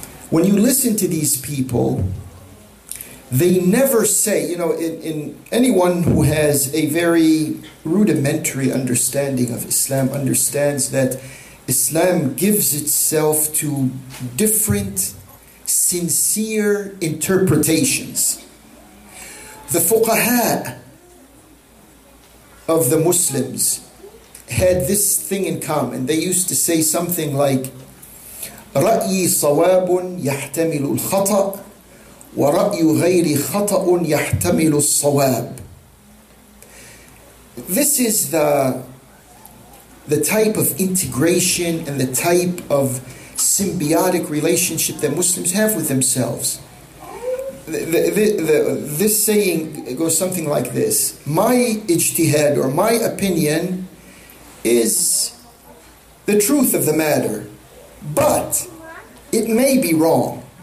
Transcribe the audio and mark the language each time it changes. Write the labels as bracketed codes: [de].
[en] When you listen to these people, they never say, you know, in anyone who has a very rudimentary understanding of Islam understands that Islam gives itself to different sincere interpretations. The fuqaha of the Muslims had this thing in common. They used to say something like, [ar] رَأْيِ صَوَابٌ يَحْتَمِلُ الْخَطَأ وَرَأْيُ غَيْرِ خَطَأٌ يَحْتَمِلُ الصَّوَابِ. [en] This is the type of integration and the type of symbiotic relationship that Muslims have with themselves. This saying goes something like this: my ijtihad, or my opinion, is the truth of the matter, but it may be wrong.